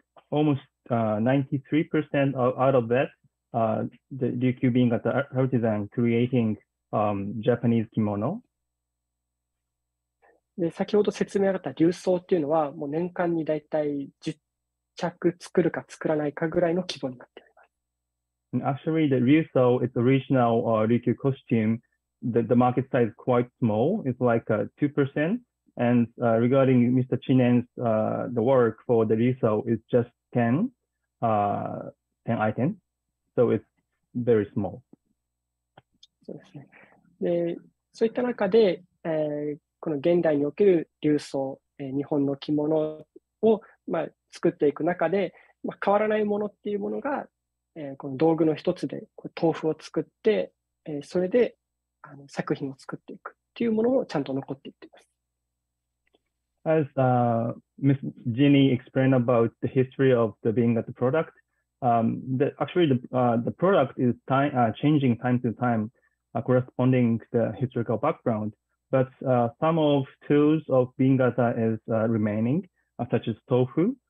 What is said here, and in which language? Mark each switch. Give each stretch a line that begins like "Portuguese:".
English: Almost 93% out of that, the Ryukyu Bingata artisan creating Japanese kimono.
Japanese: で、先ほど説明あった流装っていうのは、もう年間にだいたい10着作るか作らないかぐらいの規模になっています。
English: And actually, the ryūsō, its original Ryukyu costume, the market size is quite small. It's like 2%. And regarding Mr. Chinen's the work for the ryūsō is just 10 items. So it's very small.
Japanese: そうですね。で、そういった中で、この現代における流装、日本の着物を、まあ、作っていく中で、まあ、変わらないものっていうものが、この道具の一つで、これ豆腐を作って、それで作品を作っていくっていうものもちゃんと残っていっています。
English: As Ms. Ginny explained about the history of the Bingata product, the product is changing time to time. Corresponding to the historical background, but some of tools of Bingata is remaining, such as tofu.